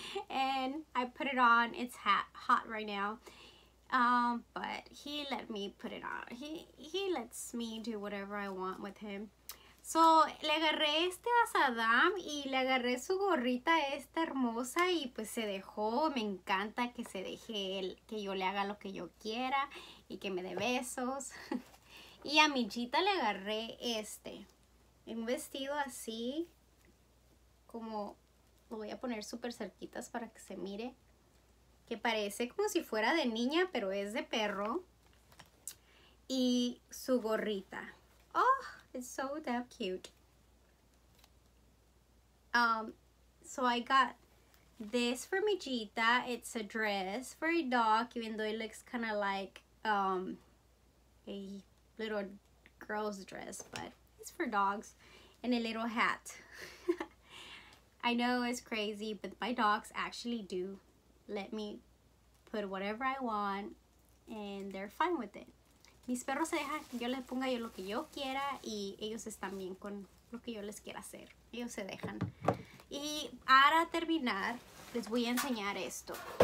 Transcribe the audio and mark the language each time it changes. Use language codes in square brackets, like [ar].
[en] And I put it on. It's hot right now, but he let me put it on. He lets me do whatever I want with him. [es] So le agarré este a Saddam y le agarré su gorrita esta hermosa y pues se dejó. Me encanta que se deje él, que yo le haga lo que yo quiera y que me dé besos. Y a Michita le agarré este, un vestido así como... Lo voy a poner súper cerquitas para que se mire. Que parece como si fuera de niña, pero es de perro. Y su gorrita. [en] Oh, it's so damn cute. So I got this for Michita. It's a dress for a dog, even though it looks kind of like a little girl's dress. But it's for dogs. And a little hat. I know it's crazy, but my dogs actually do let me put whatever I want, and they're fine with it. [es] Mis perros se dejan que yo les ponga yo lo que yo quiera, y ellos están bien con lo que yo les quiera hacer. Ellos se dejan. Y para terminar, les voy a enseñar esto.